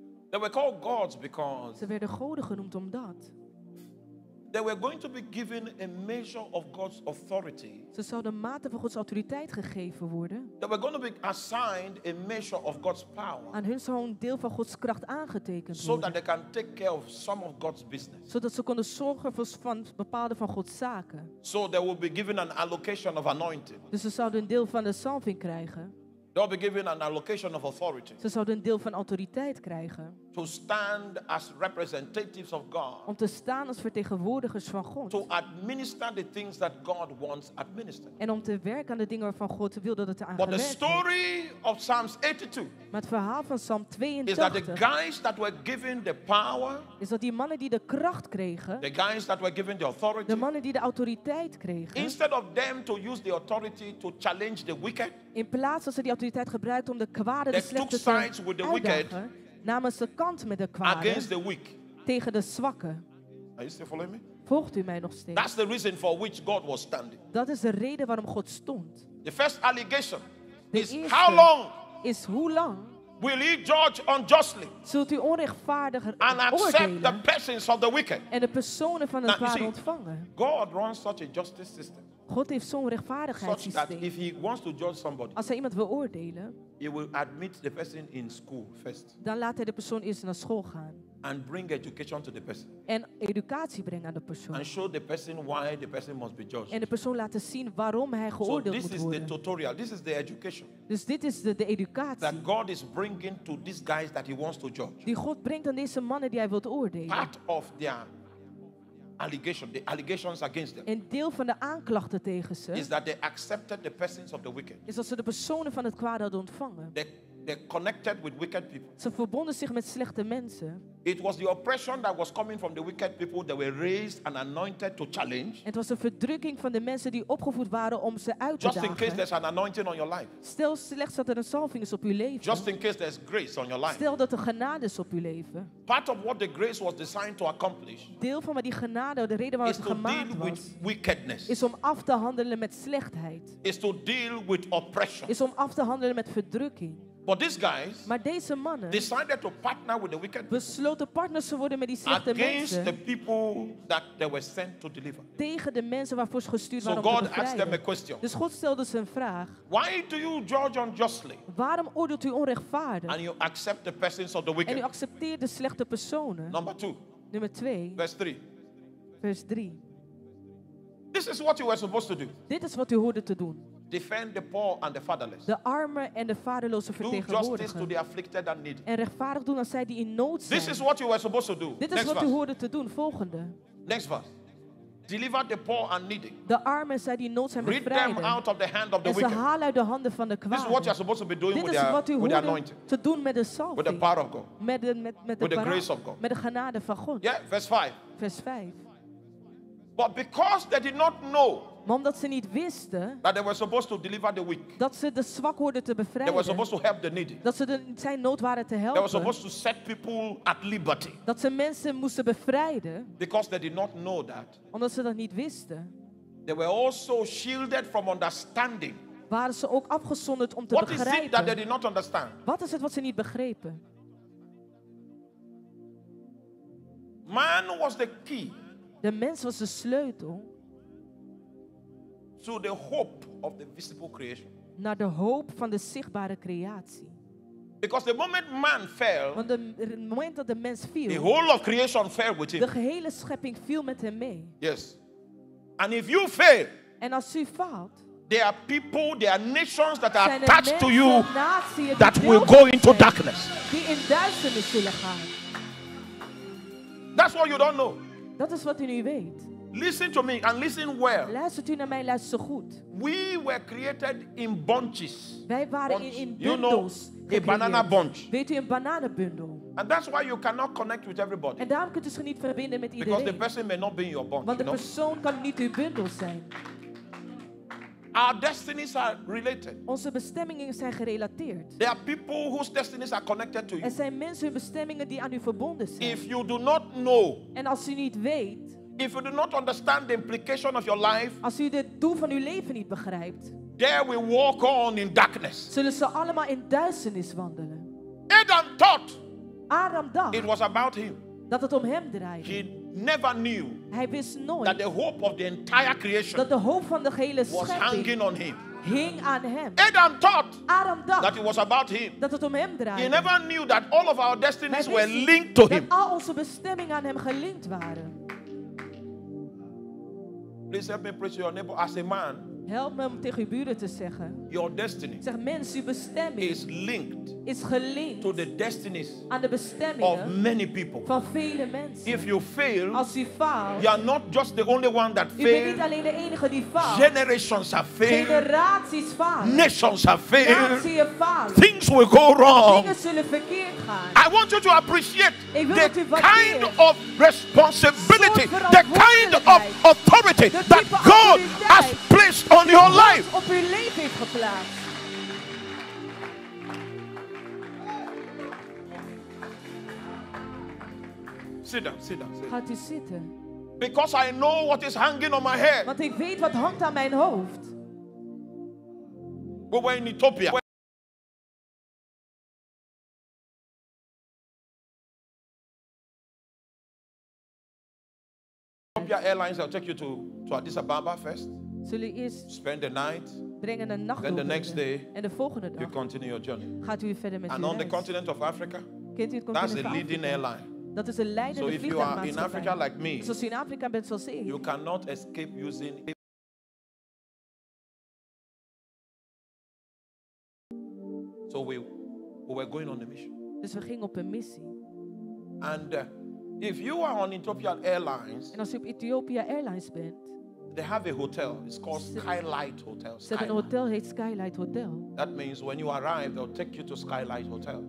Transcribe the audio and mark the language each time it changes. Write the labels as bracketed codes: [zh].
[en] They were called gods because [nl] ze werden goden genoemd omdat [en] they were going to be given a measure of God's authority. [nl] Ze zouden mate van Gods autoriteit gegeven worden. [en] They were going to be assigned a measure of God's power. [nl] Aan hun zou een deel van Gods kracht aangetekend worden. [en] So that they can take care of some of God's business. [nl] Zodat ze konden zorgen voor van bepaalde van Gods zaken. [en] So they will be given an allocation of anointing. [nl] Dus ze zouden een deel van de salving krijgen. [en] They'll be given an allocation of authority. [nl] Ze zouden een deel van autoriteit krijgen. [en] To stand as representatives of God. [nl] Om te staan als vertegenwoordigers van God. [en] To administer the things that God wants administered. [nl] En om te werken aan de dingen waarvan God wil dat het aan gewerkt wordt. [en] But the story of Psalms 82. [nl] Maar het verhaal van Psalm 82. [en] Is that the guys that were given the power? [nl] Is dat die mannen die de kracht kregen? [en] The guys that were given the authority. [nl] De mannen die de autoriteit kregen. [en] Instead of them to use the authority to challenge the wicked. [nl] In plaats dat ze die autoriteit gebruikt om de kwade en slechte te uitdagen, namen ze kant met de kwade [en] against the weak. [nl] Tegen de zwakke. [en] Are you still following me? [nl] Volgt u mij nog steeds? [en] That's the reason for which God was standing. [nl] Dat is de reden waarom God stond. [en] The first allegation [nl] de [en] is how long [nl] is hoe lang [en] will he judge unjustly [nl] zult u onrechtvaardig [en] and accept the persons of the wicked [nl] en de personen van de kwade ontvangen. [en] God runs such a justice system. [nl] God heeft zo'n rechtvaardigheidssysteem. [en] Such that if he wants to judge somebody, [nl] als hij iemand wil oordelen, [en] he will admit the person in school first. [nl] Dan laat hij de persoon eerst naar school gaan. [en] And bring education to the person. [nl] En educatie brengen aan de persoon. [en] And show the person why the person must be judged. [nl] En de persoon laten zien waarom hij geoordeeld moet worden. [en] So this is the tutorial. This is the education. [nl] Dus dit is de educatie. [en] That God is bringing to these guys that he wants to judge. [nl] Die God brengt aan deze mannen die hij wilt oordelen. [en] Part of their allegation, the allegations against them. [nl] Een deel van de aanklachten tegen ze. [en] Is that they accepted the persons of the wicked. [nl] Is dat ze de personen van het kwaad hadden ontvangen. [en] They connected with wicked people. [nl] Ze verbonden zich met slechte mensen. [en] It was the oppression that was coming from the wicked people that were raised and anointed to challenge. [nl] Het was de verdrukking van de mensen die opgevoed waren om ze uit te dagen. [en] Just in case there's an anointing on your life. [nl] Stel slechts dat er een salving is op uw leven. [en] Just in case there's grace on your life. [nl] Stel dat er genade is op uw leven. [en] Part of what the grace was designed to accomplish. [nl] Deel van wat die genade, de reden waarom het gemaakt was, [en] is to deal with wickedness. [nl] Is om af te handelen met slechtheid. [en] Is to deal with oppression. [nl] Is om af te handelen met verdrukking. [en] But these guys, [nl] maar deze mannen, [en] decided to partner with the wicked, [nl] besloten partners te worden met die slechte mensen, [en] against the people that they were sent to deliver. [nl] Tegen de mensen waarvoor ze gestuurd waren om te bevrijden. [en] So God asked them a question. [nl] Dus God stelde ze een vraag. [en] Why do you judge unjustly? [nl] Waarom oordeelt u onrechtvaardig? [en] And you accept the persons of the wicked. [nl] En u accepteert de slechte personen. [en] Number two. [nl] Nummer twee. Vers 3. [en] This is what you were supposed to do. [nl] Dit is wat u hoorde te doen. [en] Defend the poor and the fatherless. [nl] De armen en de vaderloze vertegenwoordigen. [en] Do justice to the afflicted and needy. [nl] En rechtvaardig doen aan zij die in nood zijn. [en] This is what you were supposed to do. [nl] Dit is wat u hoorde te doen. Volgende. [en] Next verse. Deliver the poor and needy. [nl] De armen zij die in nood zijn bevrijden. [en] Read them out of the hand of the wicked. [nl] En ze halen uit de handen van de kwaad. [en] This is what you are supposed to be doing with the anointing. [nl] Te doen met de salving. [en] With the power of God. [nl] Met de [en] grace of God. [nl] Met de genade van God. [en] Yeah, verse 5. [nl] Vers 5. [en] But because they did not know. [nl] Maar omdat ze niet wisten [en] that they were supposed to deliver the weak. [nl] Dat ze de zwak hoorden te bevrijden. [en] They were supposed to help the needy. [nl] Dat ze zijn nood waren te helpen. [en] They were supposed to set people at liberty. [nl] Dat ze mensen moesten bevrijden. [en] Because they did not know that. [nl] Omdat ze dat niet wisten. [en] They were also shielded from understanding. [nl] Waren ze ook afgezonderd om te [en] what [nl] begrijpen. [en] What is it that they did not understand? [nl] Wat is het wat ze niet begrepen? [en] Man was the key. [nl] De mens was de sleutel. [en] To the hope of the visible creation. [nl] Naar de hoop van de zichtbare creatie. [en] Because the moment man fell. [nl] Want het moment dat de mens viel. [en] The whole of creation fell with him. [nl] De gehele schepping viel met hem mee. [en] Yes. And if you fail. [nl] En als u faalt. [en] There are people, there are nations that are attached [nl] mensen, [en] to you. [nl] Natie, [en] that will go into darkness. [nl] Die in duisternis zullen gaan. [en] That's what you don't know. [nl] Dat is wat u nu weet. [en] Listen to me and listen well. [nl] Luistert u naar mij, luister goed. [en] We were created in bunches. [nl] Wij waren in bundels. [en] You know, a banana bunch. [nl] Weet u, een bananenbundel. [en] And that's why you cannot connect with everybody. [nl] En daarom kunt u zich niet verbinden met iedereen. [en] Because the person may not be in your bunch. [nl] Want de persoon [en] know? [nl] Kan niet uw bundel zijn. [en] Our destinies are related. [nl] Onze bestemmingen zijn gerelateerd. [en] There are people whose destinies are connected to you. [nl] Er zijn mensen hun bestemmingen die aan u verbonden zijn. [en] If you do not know. [nl] En als u niet weet. [en] If you do not understand the implication of your life, [nl] als u het doel van uw leven niet begrijpt, [en] there we walk on in darkness. [nl] Zullen ze allemaal in duisternis wandelen. [en] Adam thought. [nl] Adam dacht. [en] It was about him. [nl] Dat het om hem draaide. [en] He never knew. [nl] Hij wist nooit. [en] That the hope of the entire creation. [nl] Dat de hoop van de gehele schepping. [en] Was hanging on him. [nl] Hing aan hem. [en] Adam thought. [nl] Adam dacht. [en] That it was about him. [nl] Dat het om hem draaide. [en] He never knew that all of our destinies were linked to him. [nl] Dat al onze bestemmingen aan hem gelinkt waren. [en] Please help me pray to your neighbor as a man. [nl] Help me om tegen uw buren te zeggen. [en] Your destiny. [nl] Zeg mens, uw bestemming [en] is linked. [nl] Is gelinkt. [en] To the destinies. [nl] Aan de bestemmingen. [en] Of many people. [nl] Van vele mensen. [en] If you fail. [nl] Als u faalt. [en] You are not just the only one that failed. [nl] U bent niet alleen de enige die faalt. [en] Generations have failed. [nl] Generaties faalt. [en] Nations have failed. [nl] Natie faalt. [en] Things will go wrong. [nl] Dingen zullen verkeerd gaan. [en] I want you to appreciate. [nl] Ik wil [en] the [nl] dat u wat kind heeft. [en] Of responsibility. The kind of authority. That God has placed. On your life. [nl] Op uw leven heeft geplaatst. [en] Sit down. [nl] Gaat u zitten. [en] Because I know what is hanging on my head. [nl] Want ik weet wat hangt aan mijn hoofd. [en] We were in Ethiopia. Ethiopia Airlines, I'll take you to Addis Ababa first. [nl] Zullen u eerst [en] spend the night, [nl] brengen een nacht [en] then the next day, [nl] en de volgende dag [en] you continue your journey. [nl] Gaat u verder met [en] and [nl] uw [en] on [nl] reis. [en] The continent of Africa, [nl] kent u het continent [en] that's a leading [nl] Afrika? [en] Airline. [nl] Dat is een leidende [en] so if you are in Africa like me, [nl] zoals u in Afrika bent zoals ik, [en] you cannot escape using so we were going on a mission. [nl] Dus we gingen op een missie. [en] And if you are on Ethiopian Airlines, [nl] en als u op Ethiopia Airlines bent, [en] they have a hotel. It's called Skylight Hotel. [nl] Ze hebben een hotel heet Skylight Hotel. [en] That means when you arrive, they'll take you to Skylight Hotel.